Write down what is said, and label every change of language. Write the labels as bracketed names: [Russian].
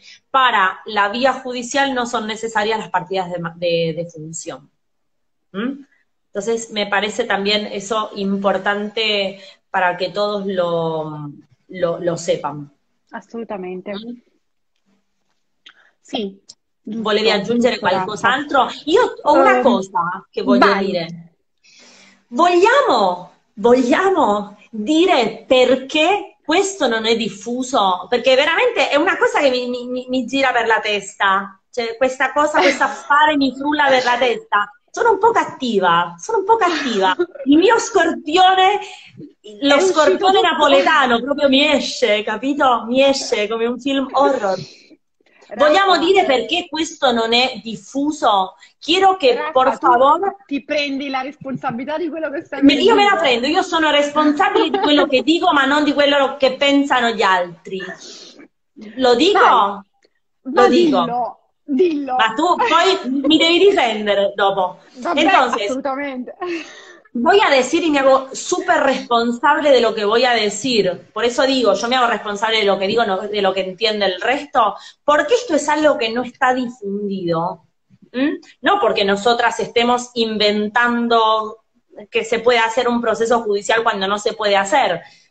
[Spanish] para la vía judicial no son necesarias las partidas de defunción. ¿Mm? Entonces, me parece también eso importante para que todos lo sepan. [Italian] Assolutamente. ¿Mm? Sì. Volevi aggiungere qualcosa altro? Io ho una cosa che voglio dire. Vogliamo dire perché questo non è diffuso? Perché veramente è una cosa che mi gira per la testa. Cioè, questa cosa, questo affare mi frulla per la testa. Sono un po' cattiva. Il mio scorpione, lo scorpione napoletano, proprio mi esce, capito? Mi esce come un film horror. Vogliamo dire perché questo non è diffuso? Chiedo che, per favore... Ti prendi la responsabilità di quello che stai dicendo. Io me la prendo, io sono responsabile di quello che dico, ma non di quello che pensano gli altri. Lo dico? Vai. Lo dico. Dillo. Ma tu poi mi devi difendere dopo. Vabbè, entonces, assolutamente. [Spanish] Voy a decir y me hago súper responsable de lo que voy a decir. Por eso digo, yo me hago responsable de lo que digo, no, de lo que entiende el resto. Porque esto es algo que no está difundido. ¿Mm? No porque nosotras estemos inventando que se puede hacer un proceso judicial cuando no se puede hacer.